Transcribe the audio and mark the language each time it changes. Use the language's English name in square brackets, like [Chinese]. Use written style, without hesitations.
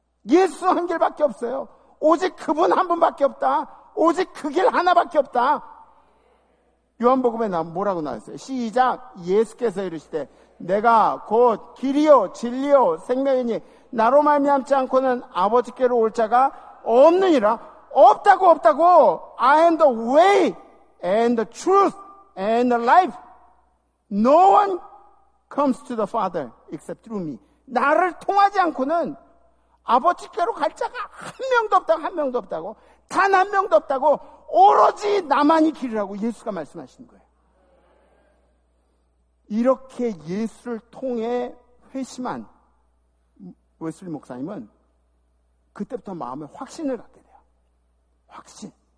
[Korean] 예수 한 길밖에 없어요. 오직 그분 한 분밖에 없다. 오직 그 길 하나밖에 없다. 요한복음에 뭐라고 나왔어요? 시작. 예수께서 이르시되 내가 곧 길이요 진리요 생명이니 나로 말미암지 않고는 아버지께로 올 자가 없느니라. 없다고 없다고. [English] I am the way and the truth and the life. No one comes to the Father except through me. [Korean] 나를 통하지 않고는 아버지께로 갈 자가 한 명도 없다고, 한 명도 없다고, 단 한 명도 없다고, 오로지 나만이 길이라고 예수가 말씀하시는 거예요. 이렇게 예수를 통해 회심한 웨슬리 목사님은 그때부터 마음에 확신을 갖게 돼요. 확신.